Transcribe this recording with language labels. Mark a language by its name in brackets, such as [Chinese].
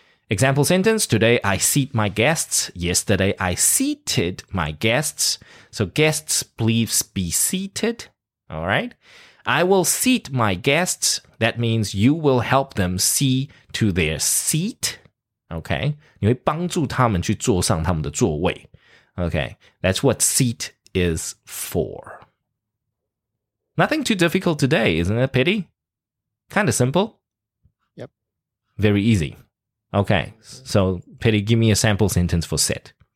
[English] Example sentence, today I seat my guests. Yesterday I seated my guests. So guests, please be seated. All right. I will seat my guests. That means you will help them see to their seat. Okay. [Chinese] 你会帮助他们去坐上他们的座位。 [English] Okay. That's what seat is for. Nothing too difficult today, isn't it, Petty? Kind of simple. Yep. Very easy. Okay, so Petty, give me a sample sentence for set.